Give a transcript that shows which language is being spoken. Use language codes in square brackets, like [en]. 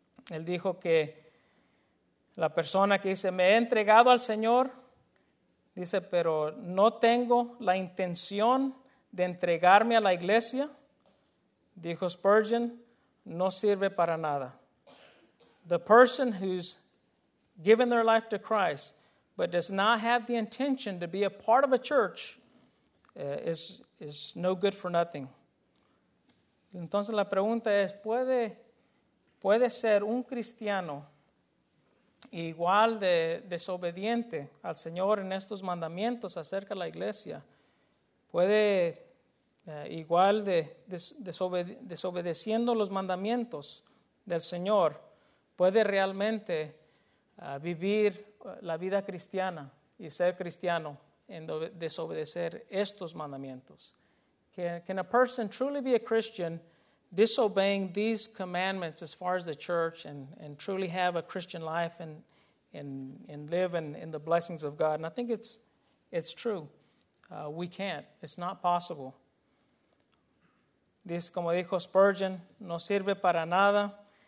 [es] Él dijo que la persona que dice, me he entregado al Señor, dice, pero no tengo la intención de entregarme a la iglesia, dijo Spurgeon, no sirve para nada. [en] The person who's given their life to Christ but does not have the intention to be a part of a church is no good for nothing. [es] Entonces la pregunta es, ¿puede ser un cristiano igual de desobediente al Señor en estos mandamientos acerca de la iglesia, puede igual de desobedeciendo los mandamientos del Señor, puede realmente vivir la vida cristiana y ser cristiano en desobedecer estos mandamientos? [en] Can a person truly be a Christian disobeying these commandments as far as the church and truly have a Christian life and live in the blessings of God? And I think it's true. We can't. It's not possible. [es] Dice, como dijo Spurgeon, no sirve para nada.